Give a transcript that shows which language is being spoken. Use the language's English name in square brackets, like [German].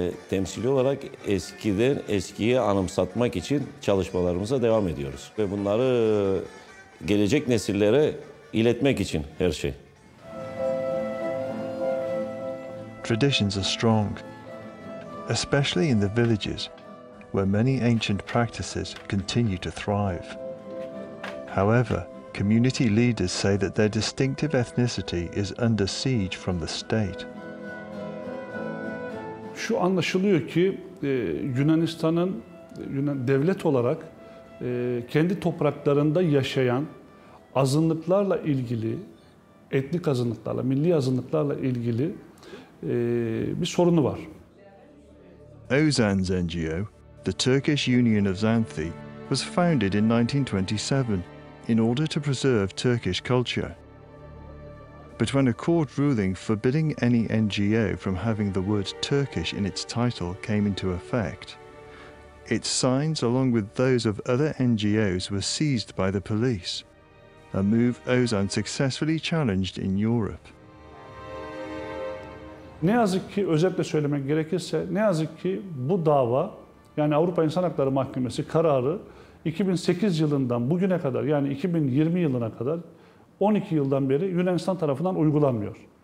[Turkish] Temsili olarak eskiyi anımsatmak için çalışmalarımıza devam ediyoruz ve bunları gelecek nesillere iletmek için her şey. [English] Traditions are strong, especially in the villages, where many ancient practices continue to thrive. However, community leaders say that their distinctive ethnicity is under siege from the state. [Turkish] Şu anlaşılıyor ki Yunanistan'ın devlet olarak kendi topraklarında yaşayan azınlıklarla ilgili, etnik azınlıklarla, milli azınlıklarla ilgili bir sorunu var. [English] Ozan's NGO, the Turkish Union of Xanthi, was founded in 1927 in order to preserve Turkish culture. But when a court ruling forbidding any NGO from having the word Turkish in its title came into effect, its signs, along with those of other NGOs, were seized by the police, a move Ozan successfully challenged in Europe. [Turkish] Ne yazık ki, özetle söylemek gerekirse, ne yazık ki bu dava, yani Avrupa İnsan Hakları Mahkemesi kararı 2008 yılından bugüne kadar, yani 2020 yılına kadar, 12 yıldan beri Yunanistan tarafından uygulanmıyor.